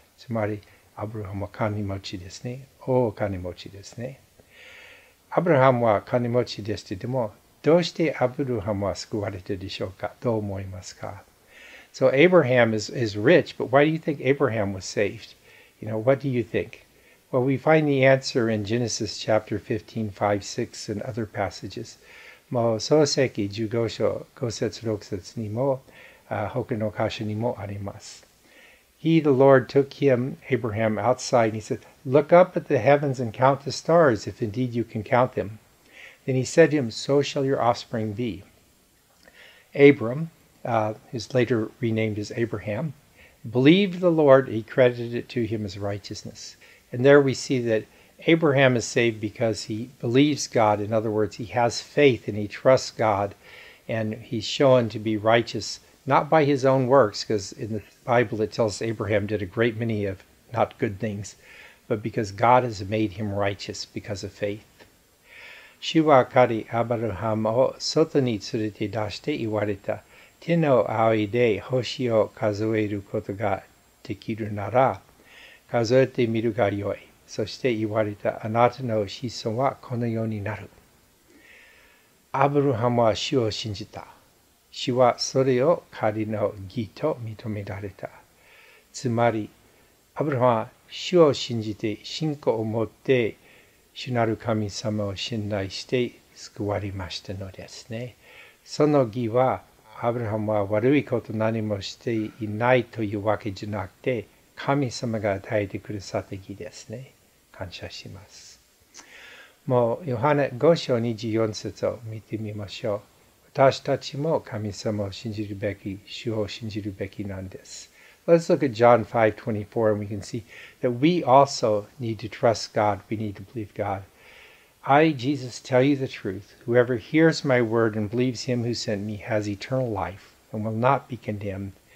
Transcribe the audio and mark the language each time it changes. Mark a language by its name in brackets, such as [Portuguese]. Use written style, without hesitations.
[Japanese] つまり、アブラハムは金持ちですね。大金持ちですね。アブラハムは金持ちでしたけども、どうしてアブラハムは救われたでしょうか? どう思いますか? [English] So Abraham is rich, but why do you think Abraham was saved? You know, what do you think? Well, we find the answer in Genesis chapter 15, 5, 6, and other passages. [Japanese] もう創世記15章5節6節にも、他の箇所にもあります。 [English] He, the Lord, took him, Abraham, outside, and he said, Look up at the heavens and count the stars, if indeed you can count them. Then he said to him, So shall your offspring be. Abram, who's later renamed as Abraham, believed the Lord, he credited it to him as righteousness. And there we see that Abraham is saved because he believes God. In other words, he has faith and he trusts God. And he's shown to be righteous, not by his own works, because in the Bible it tells Abraham did a great many of not good things, but because God has made him righteous because of faith. [Japanese] 主は彼アブラハムを外に連れて出して言われた。手の仰いで星を数えることができるなら、数えてみるがよい。そして言われた、あなたの子孫はこのようになる。アブラハムは主を信じた。主はそれを彼の義と認められた。つまり、アブラハムは主を信じて、信仰を持って、主なる神様を信頼して救われましたのですね。その義は、アブラハムは悪いこと何もしていないというわけじゃなくて、神様が与えてくださった義ですね。感謝します。もう、ヨハネ5章24節を見てみましょう。私たちも神様を信じるべき、主を信じるべきなんです。 [English] Let's look at John 5:24 and we can see that we also need to trust God. We need to believe God. I, Jesus, tell you the truth. Whoever hears my word and believes him who sent me has eternal life and will not be condemned.